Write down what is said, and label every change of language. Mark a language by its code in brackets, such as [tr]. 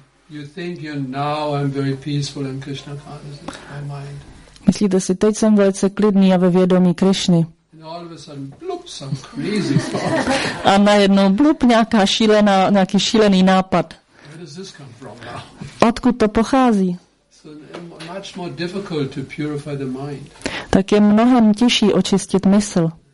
[en] You think you now I'm very peaceful in Krishna consciousness, my mind. [cs] Myslíte si, teď jsem velice klidný a ve vědomí Krišny. [en] And all of a sudden, bloop, some crazy thought. [cs] A najednou blup nějaká šílená, nějaký šílený nápad. [en] Where does this come from now? [cs] Odkud to pochází? [en] So much more difficult to purify the mind. [cs] Tak je mnohem těžší očistit mysl.